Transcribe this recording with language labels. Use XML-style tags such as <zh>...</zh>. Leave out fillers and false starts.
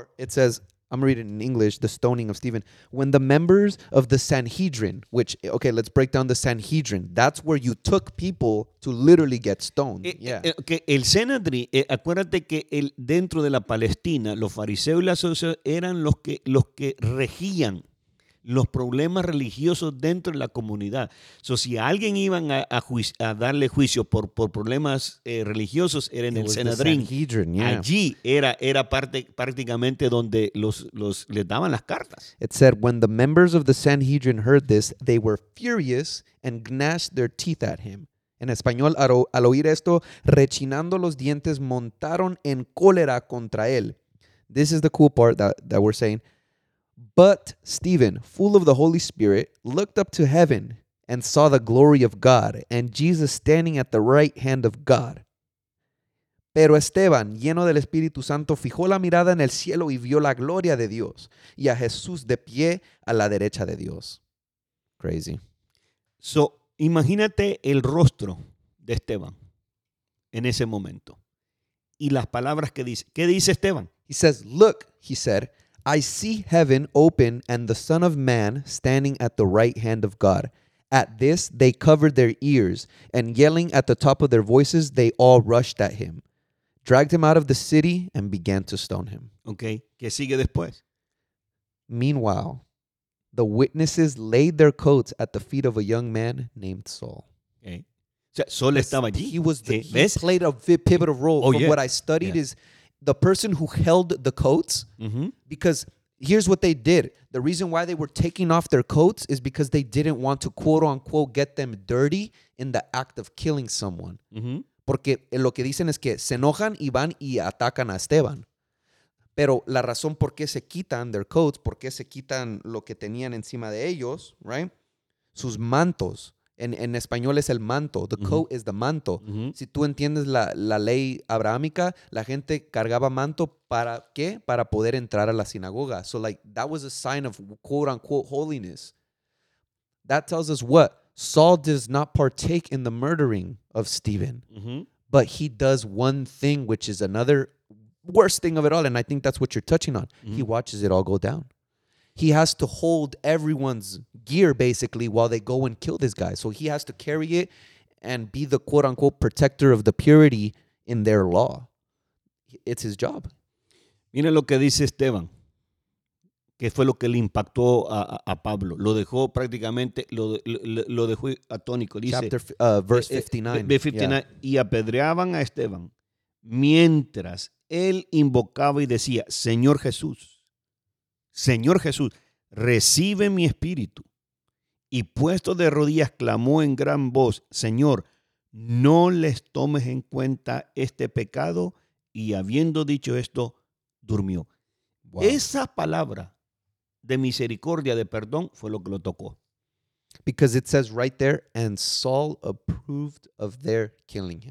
<en>It says, I'm reading in English, the stoning of Stephen. When the members of the Sanhedrin, let's break down the Sanhedrin. That's where you took people to literally get stoned.</en> <es>El Sanhedrin, acuérdate que dentro de la Palestina, los fariseos y las sociedades eran los que regían los problemas religiosos dentro de la comunidad. So, si alguien iban a darle juicio por problemas religiosos, era en el Sanhedrin. Allí era parte prácticamente donde los les daban las cartas.</es> <en>It said, when the members of the Sanhedrin heard this, they were furious and gnashed their teeth at him.</en> <es>En español, al oír esto, rechinando los dientes, montaron en cólera contra él.</es> <en>This is the cool part that we're saying. But Stephen, full of the Holy Spirit, looked up to heaven and saw the glory of God and Jesus standing at the right hand of God.</en> <es>Pero Esteban, lleno del Espíritu Santo, fijó la mirada en el cielo y vio la gloria de Dios y a Jesús de pie a la derecha de Dios.</es> <en>Crazy.</en> <es>So, imagínate el rostro de Esteban en ese momento y las palabras que dice. ¿Qué dice Esteban?</es> <en>He says, look, he said, I see heaven open and the Son of Man standing at the right hand of God. At this, they covered their ears, and yelling at the top of their voices, they all rushed at him, dragged him out of the city, and began to stone him.</en> <es>Okay, ¿qué sigue después?</es> <en>Meanwhile, the witnesses laid their coats at the feet of a young man named Saul.</en> <es>Okay. O sea, Saul estaba allí.</es> <en>He played a pivotal role. Oh, yeah. What I studied is the person who held the coats, because here's what they did. The reason why they were taking off their coats is because they didn't want to, quote unquote, get them dirty in the act of killing someone. Mm-hmm.</en> <es>Porque lo que dicen es que se enojan y van y atacan a Esteban. Pero la razón por qué se quitan</es> <en>their coats,</en> <es>por qué se quitan lo que tenían encima de ellos, right? Sus mantos. En español es el manto.</es> <en>The coat is the manto. Mm-hmm.</en> <es>Si tú entiendes la ley abrahámica, la gente cargaba manto ¿para qué? Para poder entrar a la sinagoga.</es> <en>So, like, that was a sign of quote-unquote holiness. That tells us what? Saul does not partake in the murdering of Stephen. Mm-hmm. But he does one thing, which is another worst thing of it all, and I think that's what you're touching on. Mm-hmm. He watches it all go down. He has to hold everyone's gear, basically, while they go and kill this guy. So he has to carry it and be the quote-unquote protector of the purity in their law. It's his job.</en> <es>Mira lo que dice Esteban, que fue lo que le impactó a Pablo. Lo dejó prácticamente, lo dejó atónico. Dice,</es> <en>Verse 59.</en> <es>Yeah. Y apedreaban a Esteban mientras él invocaba y decía, Señor Jesús. Señor Jesús, recibe mi espíritu. Y puesto de rodillas, clamó en gran voz, Señor, no les tomes en cuenta este pecado. Y habiendo dicho esto, durmió. Wow. Esa palabra de misericordia, de perdón, fue lo que lo tocó.</es> <en>Because it says right there, and Saul approved of their killing him.</en>